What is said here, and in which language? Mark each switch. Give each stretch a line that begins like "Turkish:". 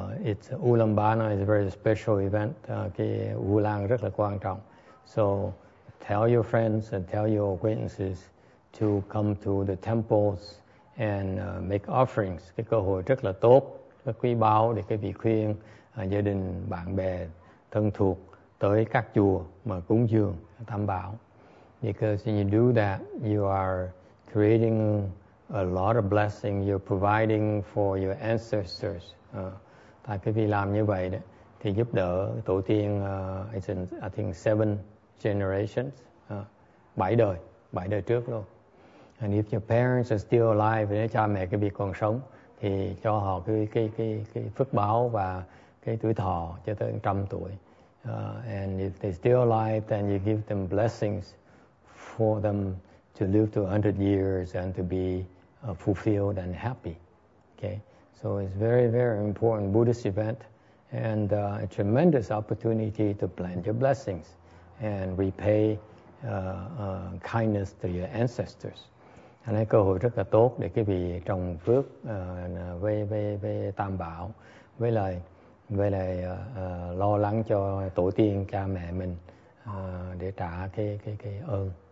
English: It's Ulambana is a very special event.
Vietnamese: Cái Vu Lan rất là quan trọng.
English: So tell your friends and tell your acquaintances to come to the temples and make offerings.
Vietnamese: Cái cơ hội rất là tốt, rất quý báu để quý vị khuyên gia đình, bạn bè, thân thuộc tới các chùa mà cúng dường tam bảo.
English: Because when you do that, you are creating a lot of blessing you're providing for your ancestors.
Vietnamese: Tại quý vị làm như vậy đó, thì giúp đỡ tổ tiên,
English: I think 7 generations,
Vietnamese: 7 đời trước luôn.
English: And if your parents are still alive,
Vietnamese: nếu cha mẹ quý vị còn sống, thì cho họ cái phước báo và cái tuổi thọ cho tới 100 tuổi.
English: And if they're still alive, then you give them blessings for them to live to 100 years and to be fulfilled and happy. Okay, so it's very, very important Buddhist event and a tremendous opportunity to plant your blessings and repay kindness to your ancestors.
Vietnamese: And cơ hội rất là tốt để quý vị trồng phước với tam bảo, với lại lo lắng cho tổ tiên cha mẹ mình để trả cái ơn.